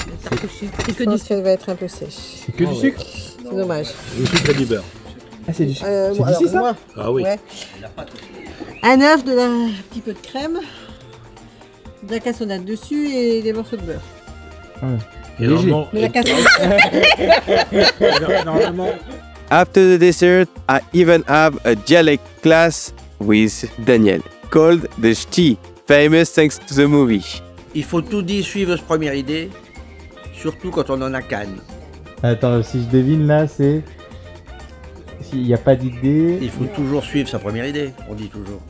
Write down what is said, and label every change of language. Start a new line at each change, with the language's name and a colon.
French: C'est que du sucre. Ça va être un peu sèche. C'est que du sucre. C'est dommage. Du sucre et du beurre. Ah c'est du sucre. C'est d'ici ça. Ah oui. Un œuf, de la petit peu de crème, de la cassonade dessus et des morceaux de beurre. Ouais. Et normalement,
English: after the dessert, I even have a dialect class with Daniel, called the Ch'ti, famous thanks to the movie.
French: Il faut tout dire, suivre cette première idée, surtout quand on en a canne. Attends, si je devine là, c'est... S'il n'y a pas d'idée... Il faut toujours suivre sa première idée, on dit toujours.